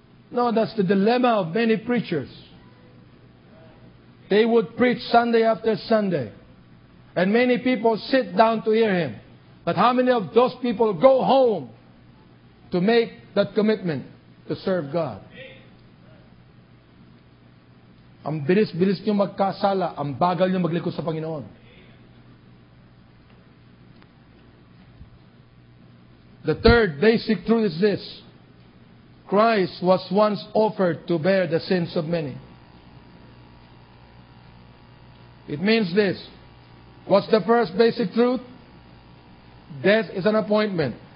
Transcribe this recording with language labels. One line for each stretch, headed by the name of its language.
English: No, that's the dilemma of many preachers. They would preach Sunday after Sunday. And many people sit down to hear him. But how many of those people go home to make that commitment to serve God?
Filipino: Ang bilis-bilis niyo magkasala, ang bagal niyo maglikod sa Panginoon.
English: The third basic truth is this. Christ was once offered to bear the sins of many. It means this. What's the first basic truth? Death is an appointment.